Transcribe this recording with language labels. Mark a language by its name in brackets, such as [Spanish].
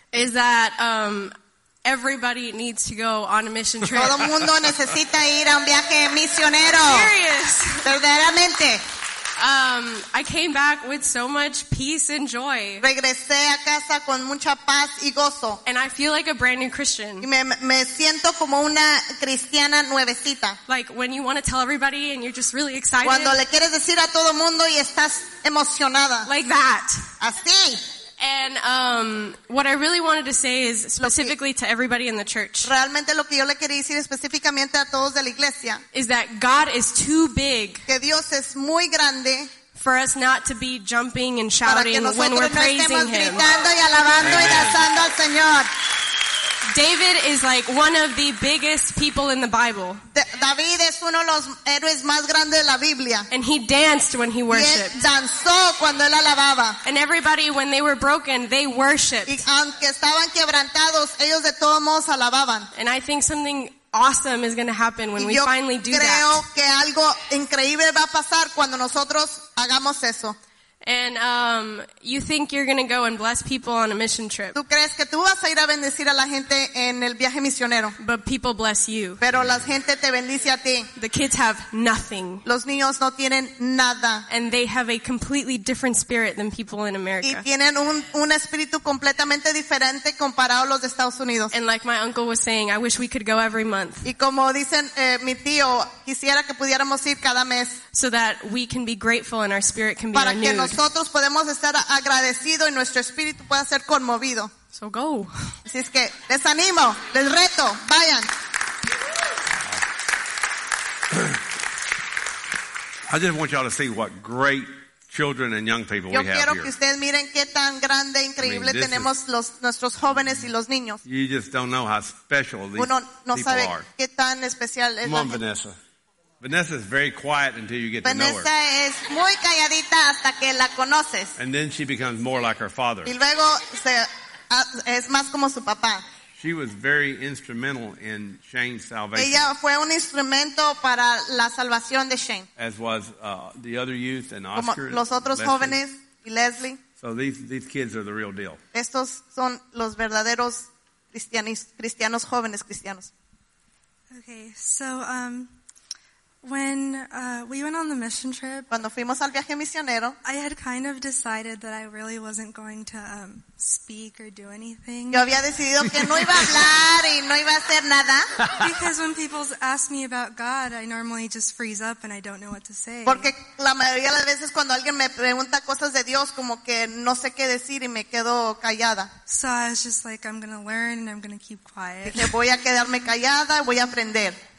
[English] is that everybody needs to go on a mission trip. [Spanish] Todo mundo necesita ir a un viaje misionero. [English] Serious. [Spanish] Verdaderamente. [English] I came back with so much peace and joy. [Spanish] Regresé a casa con mucha paz y gozo. [English] And I feel like a brand new Christian. [Spanish] Y me siento como una cristiana nuevecita. [English] Like when you want to tell everybody and you're just really excited. [Spanish] Cuando le quieres decir a todo mundo y estás emocionada. [English] Like that. [Spanish] Así. [English] And what I really wanted to say is specifically to everybody in the church. [Spanish] Realmente lo que yo le quería decir específicamente a todos de la iglesia. [English] Is that God is too big. [Spanish] Que Dios es muy grande. [English] For us not to be jumping and shouting when we're praising Him. [Spanish] Gritando y alabando y danzando al Señor. [English] David is like one of the biggest people in the Bible. [Spanish] David es uno de los héroes más grandes de la Biblia. [English] And he danced when he worshiped. [Spanish] Y él danzó cuando él alababa. [English] And everybody, when they were broken, they worshiped. [Spanish] Y aunque estaban quebrantados, ellos de todos modos alababan. [English] And I think something awesome is going to happen when we finally do [Spanish] creo [English] that. [Spanish] Creo que algo increíble va a pasar cuando nosotros hagamos eso. [English] And you think you're going to go and bless people on a mission trip. [Spanish] ¿Tú crees que tú vas a ir a bendecir a la gente en el viaje misionero? [English] But people bless you. [Spanish] Pero la gente te bendice a ti. [English] The kids have nothing. [Spanish] Los niños no tienen nada. [English] And they have a completely different spirit than people in America. [Spanish] Y tienen un espíritu completamente diferente comparado a los de Estados Unidos. [English] And like my uncle was saying, I wish we could go every month. [Spanish] Y como dicen mi tío, quisiera que pudiéramos ir cada mes. [English] So that we can be grateful and our spirit can be [Spanish] para [English] renewed. [Spanish] Nosotros podemos estar agradecidos y nuestro espíritu pueda ser conmovido. [English] So go. [Spanish] Así es que les animo, les reto, vayan. [English] I just want y'all to see what great children and young people [Spanish] yo [English] we have [Spanish] quiero [English] here. [Spanish] Que ustedes miren qué tan grande e increíble [English] I mean, [Spanish] tenemos is, los nuestros jóvenes y los niños. [English] You just don't know how special these [Spanish] uno no [English] people [Spanish] sabe [English] are. [Spanish] Qué tan especial [English] come [Spanish] es la gente. [English] Vanessa. Vanessa is very quiet until you get Vanessa to know her. [Spanish] Vanessa es muy calladita hasta que la conoces. [English] And then she becomes more like her father. [Spanish] Y luego es más como su papá. [English] She was very instrumental in Shane's salvation. [Spanish] Ella fue un instrumento para la salvación de Shane. [English] As was the other youth and Oscar. [Spanish] Como los otros Leslie. Jóvenes y Leslie. [English] So these kids are the real deal. [Spanish] Estos son los verdaderos cristianos jóvenes cristianos. [English] Okay, so when we went on the mission trip, [Spanish] cuando fuimos al viaje misionero, [English] I had kind of decided that I really wasn't going to speak or do anything. [Spanish] Yo había decidido que no iba a hablar y no iba a hacer nada. [English] Because when people ask me about God, I normally just freeze up and I don't know what to say. [Spanish] Porque la mayoría de las veces cuando alguien me pregunta cosas de Dios, como que no sé qué decir y me quedo callada. [English] So I was just like, I'm going to learn and I'm going to keep quiet. [Spanish] Dije, voy a quedarme callada y voy a aprender.